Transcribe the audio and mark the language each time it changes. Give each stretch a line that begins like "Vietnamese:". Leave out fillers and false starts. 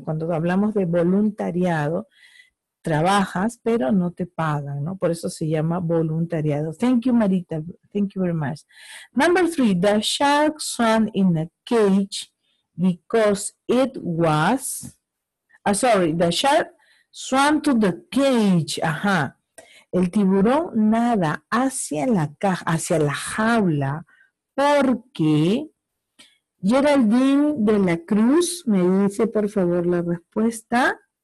Spanish: Cuando hablamos de voluntariado, trabajas, pero no te pagan, ¿no? Por eso se llama voluntariado.
English: Thank you, Marita. Thank you very much. Number three, the shark swam in a cage because it was... the shark swam to the cage. Ajá.
Spanish: El tiburón nada hacia la caja, hacia la jaula, porque... Geraldine de la Cruz me dice, por favor, la respuesta.